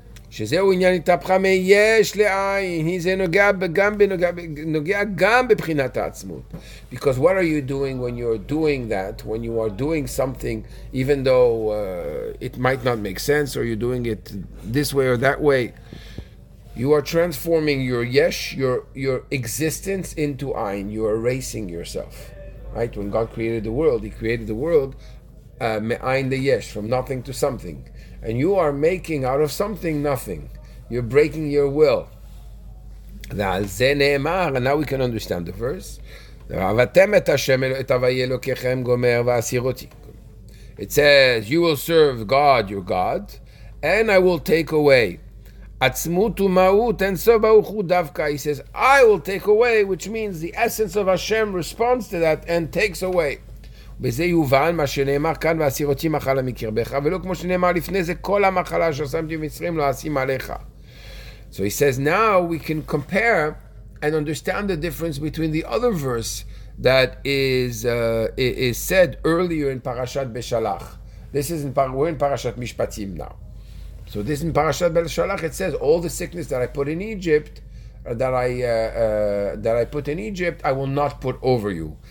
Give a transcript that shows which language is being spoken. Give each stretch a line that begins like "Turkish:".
Hebrew: שזהו עניין התהפכה מיש לעין, זה נוגע גם בבחינת העצמות.
English: Because what are you doing when you're doing that, when you are doing something, even though it might not make sense, or you're doing it this way or that way, you are transforming your yesh, your existence into ein, you're erasing yourself. Right? When God created the world, He created the world, me'ein le'yesh, from nothing to something. And you are making out of something nothing. You're breaking your will.
Hebrew: Ve'al zeh ne'emar,
English: and now we can understand the verse.
Hebrew: Ve'avatem et Hashem et Havayeh Elokechem gomer ve'asiroti.
English: It says, you will serve God, your God, and I will take away.
Hebrew: Atzmut u'ma'ut en sof baruch hu davka.
English: He says, I will take away, which means the essence of Hashem responds to that and takes away.
Hebrew: בזה יובן מה שנאמר כאן ועשירותי מחלה מקרבך ולא כמו שנאמר לפני זה כל המחלה ששמתי במצרים לא אשים עליך.
English: So he says now we can compare and understand the difference between the other verse that is said earlier in Parashat Beshalach. We're in Parashat Mishpatim now. So this in Parashat Beshalach it says all the sickness that I put in Egypt I will not put over you.